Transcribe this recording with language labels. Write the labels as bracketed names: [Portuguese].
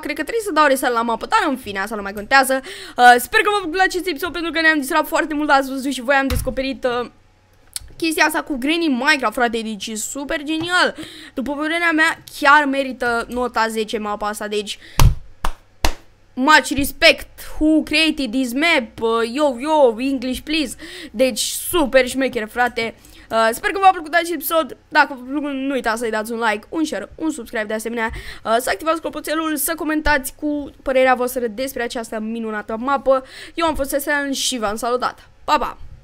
[Romanian] Cred că trebuie să dau reset la mapă. Dar în fine, asta nu mai contează. Sper că vă place acest episod pentru că ne-am distrat foarte mult. Ați văzut și voi, am descoperit chestia asta cu Granny Minecraft, frate. Deci e super genial. După părerea mea, chiar merită nota 10 mapa asta. Deci... [English] Much respect, who created this map, yo, English please. [Romanian] Deci super șmecher, frate. Sper că v-a plăcut acest episod. Dacă v-a plăcut, nu uitați să-i dați un like, un share, un subscribe de asemenea. Să activați clopoțelul, să comentați cu părerea voastră despre această minunată mapă. Eu am fost Sesan și v-am salutat. Pa, pa!